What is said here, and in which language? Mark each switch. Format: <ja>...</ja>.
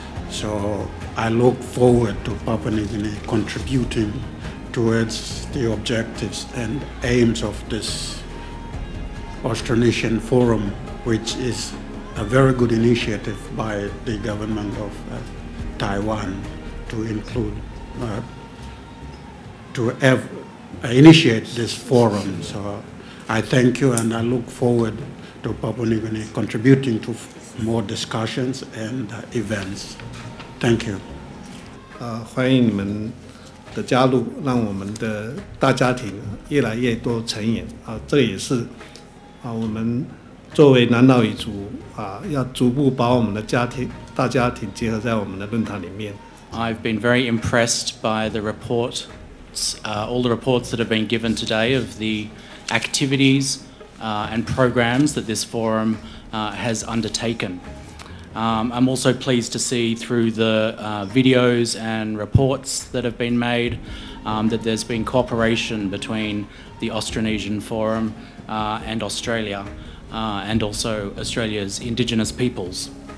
<en>So I look forward to Papua New Guinea contributing towards the objectives and aims of this Austronesian Forum, which is a very good initiative by the government of Taiwan to include, to have initiate this forum. So I thank you and I look forward to Papua New Guinea contributing to more discussions and events. Thank you.</en> <zh>欢迎你们的加入，让我们的大家庭越来越多成员，这也是我们作为南岛语族要逐步把我们的家庭大家庭结合在我们的论坛里面。</zh> <en>I've been very impressed by the report. All the reports that have been given today of the activities and programs that this forum has undertaken. I'm also pleased to see through the videos and reports that have been made that there's been cooperation between the Austronesian Forum and Australia and also Australia's Indigenous peoples.</en>